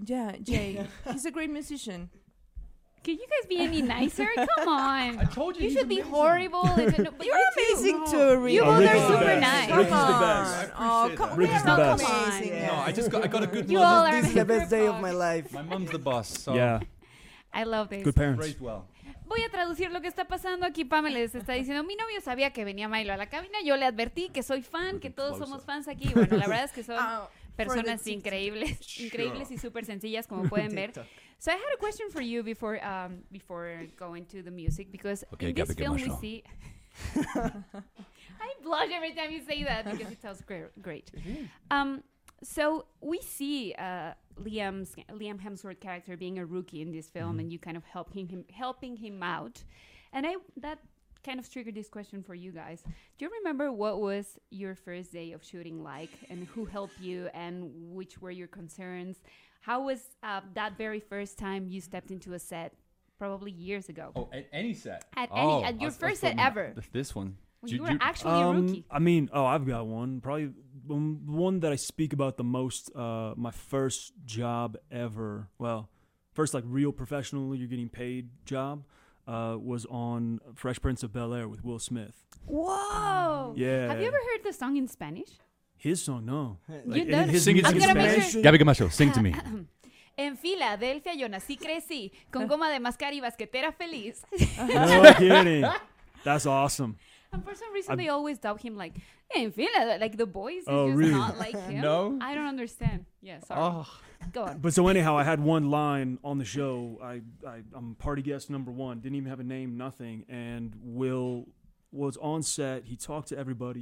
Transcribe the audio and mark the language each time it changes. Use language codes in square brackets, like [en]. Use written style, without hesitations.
[en] Yeah, Jay. He's a great musician. Can you guys be any nicer? Come on. I told you. You should amazing. Be horrible. But you're amazing too, no. Rick. You both are super nice. Rick is the best. Oh, come on. Rick is the best. No, I just got a good you mother. All are this is the best day of my life. My mom's the boss. So. Yeah. I love this. Good parents. Raised well. [es] Voy a traducir lo que está pasando aquí. Pamela les está diciendo, mi novio sabía que venía Milo a la cabina. Yo le advertí que soy fan, [en] looking [es] que todos [en] closer. [es] Somos fans aquí. Bueno, la verdad es que son personas increíbles. Increíbles y súper sencillas, como pueden ver. [en] So I had a question for you before going to the music, because in this film we see... I blush every time you say that because it sounds great. It is. So we see Liam Hemsworth character being a rookie in this film, mm-hmm. and you kind of helping him out. And that kind of triggered this question for you guys. Do you remember what was your first day of shooting like, and who helped you, and which were your concerns? How was that very first time you stepped into a set, probably years ago? Oh, at any set? At your first set ever. This one. You were actually a rookie. I mean, I've got one. Probably one that I speak about the most. My first job ever. Well, first like real professional, you're getting paid job. Was on Fresh Prince of Bel-Air with Will Smith. Whoa! Yeah. Have you ever heard the song in Spanish? His song, no. You like, don't? Sing it in Spanish? Gabby Camacho, sing to me. [es] En Filadelfia yo nací, crecí, con goma de mascar y basquetera feliz. [en] No kidding. That's awesome. And for some reason, they always dub him like, in Filadelfia, like the boys, is really? Not like him. No? I don't understand. Yeah, sorry. Oh. Go on. But so anyhow, I had one line on the show. I'm party guest number one. Didn't even have a name, nothing. And Will was on set. He talked to everybody.